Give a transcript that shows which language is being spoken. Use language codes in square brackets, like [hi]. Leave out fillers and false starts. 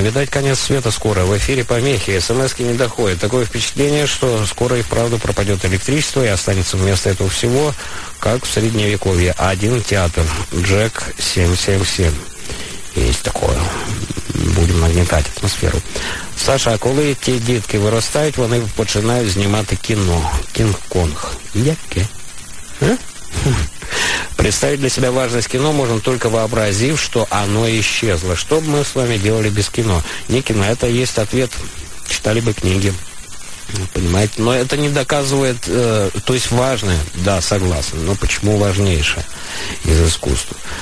[ru] Видать, конец света скоро. В эфире помехи, СМС-ки не доходят. Такое впечатление, что скоро и вправду пропадет электричество и останется вместо этого всего, как в средневековье. Один театр. Джек 777. Есть такое. Будем нагнетать атмосферу. [uk] Саша, а коли ті дітки виростають, вони починають знімати кіно. Кінг-Конг. Яке? [ru] Представить для себя важность кино можно только вообразив, что оно исчезло. Что бы мы с вами делали без кино? Не кино, это есть ответ. Читали бы книги. Понимаете? Но это не доказывает... то есть важное, да, согласен. Но почему важнейшее из искусства?